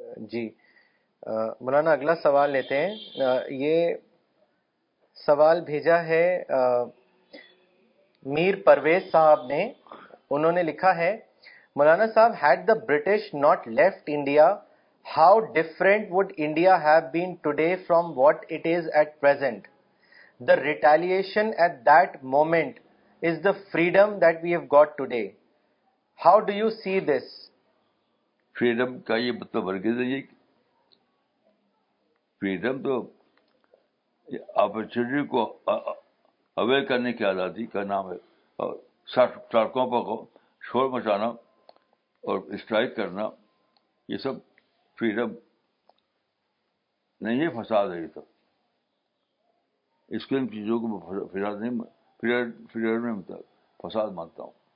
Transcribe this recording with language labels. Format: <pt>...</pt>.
<ur>جی مولانا اگلا سوال لیتے ہیں, یہ سوال بھیجا ہے میر پرویز صاحب نے, انہوں نے لکھا ہے, مولانا صاحب</ur> <en>Had the British not left India how different would India have been today from what it is at present. The retaliation at that moment is the freedom that we have got today. How do you see this?</en> <ur>Freedom کا یہ مطلب ہرگز نہیں ہے, freedom تو opportunity کو aware کرنے کی آزادی کا نام ہے, اور سڑکوں پر شور مچانا اور اسٹرائک کرنا یہ سب فریڈم نہیں ہے, فساد ہے. یہ تو اس کو ان چیزوں کو فساد نہیں, فریڈم نہیں ملتا, فساد مانتا ہوں.</ur>